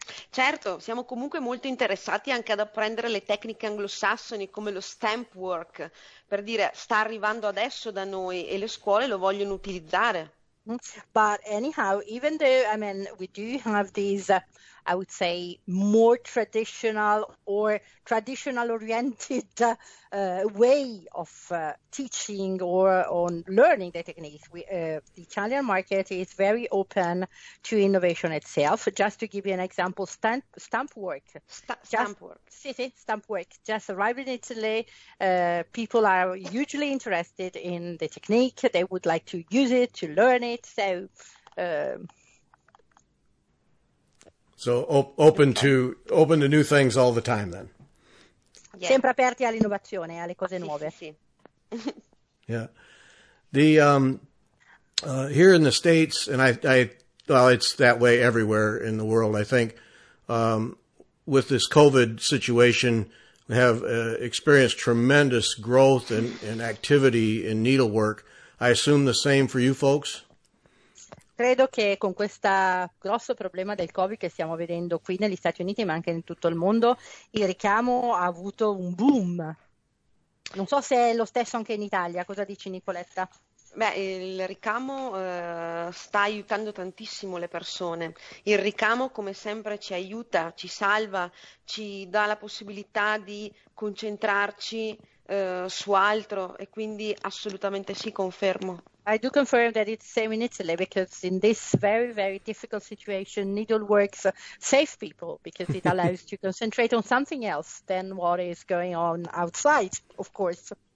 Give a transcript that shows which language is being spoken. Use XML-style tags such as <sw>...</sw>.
<it>Certo, siamo comunque molto interessati anche ad apprendere le tecniche anglosassoni come lo stamp work, per dire sta arrivando adesso da noi e le scuole lo vogliono utilizzare.</it> <en>But anyhow, even though, I mean, we do have these, I would say, more traditional or traditional-oriented way of teaching or on learning the techniques, the Italian market is very open to innovation itself. Just to give you an example, stamp work, just. Stamp work. City stamp work just arrived in Italy. People are hugely interested in the technique. They would like to use it, to learn it. So, So open to new things all the time then.</en> <it>sempre aperti all'innovazione, alle cose nuove. Sì.</it> <en>Yeah. Here in the States, and it's that way everywhere in the world, I think. With this COVID situation, we have experienced tremendous growth in activity in needlework. I assume the same for you folks.</en> <it>Credo che con questo grosso problema del Covid che stiamo vedendo qui negli Stati Uniti, ma anche in tutto il mondo, il ricamo ha avuto un boom. Non so se è lo stesso anche in Italia. Cosa dici, Nicoletta? Beh, il ricamo sta aiutando tantissimo le persone. Il ricamo, come sempre, ci aiuta, ci salva, ci dà la possibilità di concentrarci su altro e quindi assolutamente sì, confermo.</it> <en>I do confirm that it's the same in Italy because in this very, very difficult situation, needleworks save people because it allows to concentrate on something else than what is going on outside, of course.</en>